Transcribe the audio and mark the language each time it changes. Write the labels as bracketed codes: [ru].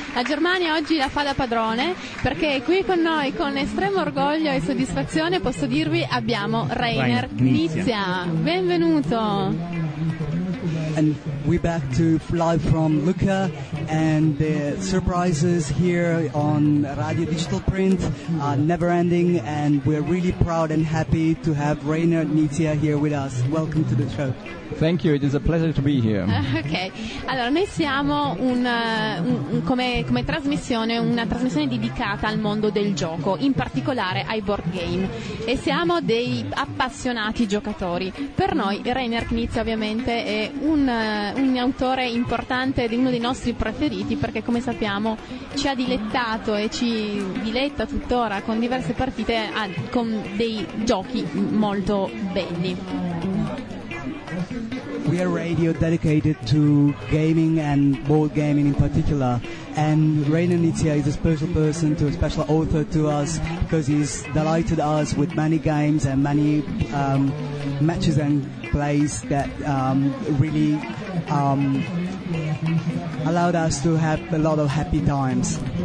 [it] La Germania oggi la fa da padrone, perché qui con noi, con estremo orgoglio e soddisfazione, posso dirvi, abbiamo Rainer Knizia. Benvenuto. [en] And we're back to live from Lucca and the surprises here on Radio Digital Print are never ending, and we're really proud and happy to have Rainer Knizia here with us. Welcome to the show. Thank you, it is a pleasure to be here. [it] Ok, allora noi siamo come trasmissione, una trasmissione dedicata al mondo del gioco, in particolare ai board game, e siamo dei appassionati giocatori. Per noi Rainer Knizia ovviamente è un autore importante, di uno dei nostri preferiti, perché come sappiamo ci ha dilettato e ci diletta tuttora con diverse partite con dei giochi molto belli. [en] We are radio dedicated to gaming and board gaming in particular, and Rainer Knizia is a special person, to a special author to us, because he's delighted us with many games and many matches and plays that really allowed us to have a lot of happy times.